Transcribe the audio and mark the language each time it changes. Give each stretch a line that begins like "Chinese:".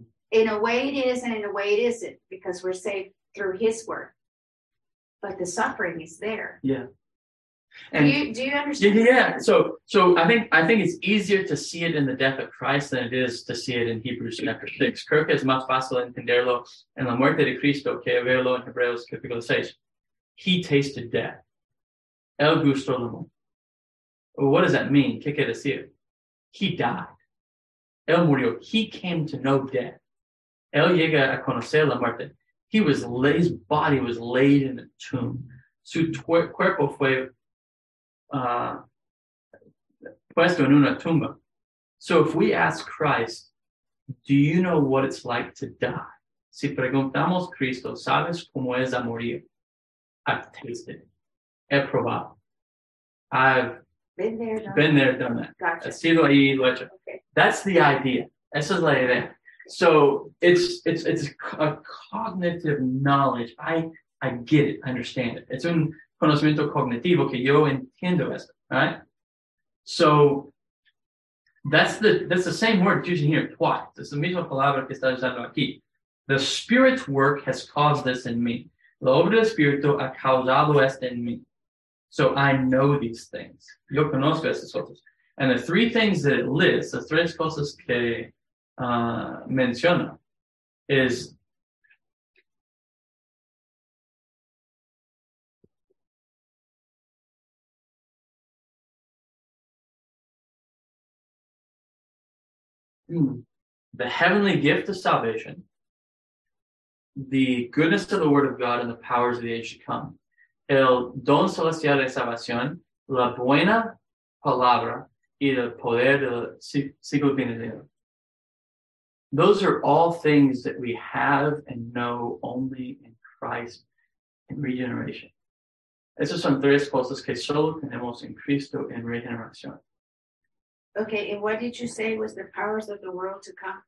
English: In a way it is, and in a way it isn't, because we're saved through his work. But the suffering is there. Yeah. And do you understand? Yeah. So I think it's easier to see it in the death of Christ than it is to see it in Hebrews chapter 6.
Spanish: Creo que es más fácil entenderlo en la muerte de Cristo que verlo en Hebreos capítulo 6.
English: He tasted death.
Spanish: El gusto de muerte.
English: What does that mean?
Spanish: ¿Qué quiere decir?
English: He died.
Spanish: El murió.
English: He came to know death.
Spanish: Él llega a conocer la muerte.
English: He was laid, his body was laid in a tomb.
Spanish: Su cuerpo fue puesto en una tumba.
English: So if we ask Christ, do you know what it's like to die?
Spanish: Si preguntamos a Cristo, ¿sabes cómo es a morir?
English: I've tasted it.
Spanish: He probado.
English: I've been there, done that. Gotcha.
Spanish: He sido ahí, lo hecho.
English: Okay. That's the idea. Esa es la idea. So it's a cognitive knowledge. I get it. I understand it. It's
Spanish: un conocimiento cognitivo que yo entiendo esto.
English: Right? So that's the same word using here twice.
Spanish: Es la misma palabra que está usando aquí.
English: The Spirit's work has caused this in me.
Spanish: La obra del Espíritu ha causado esto en mí.
English: So I know these things.
Spanish: Yo conozco esas cosas.
English: And the three things that it lists, the
Spanish: tres cosas que menciona,
English: is the heavenly gift of salvation, the goodness of the word of God, and the powers of the age to come.
Spanish: El don celestial de salvación, la buena palabra, y el poder del siglo venidero.
English: Those are all things that we have and know only in Christ and regeneration.
Spanish: Esas son tres cosas que solo tenemos en Cristo en regeneración.
English: Okay, and what did you say was the powers of the world to come?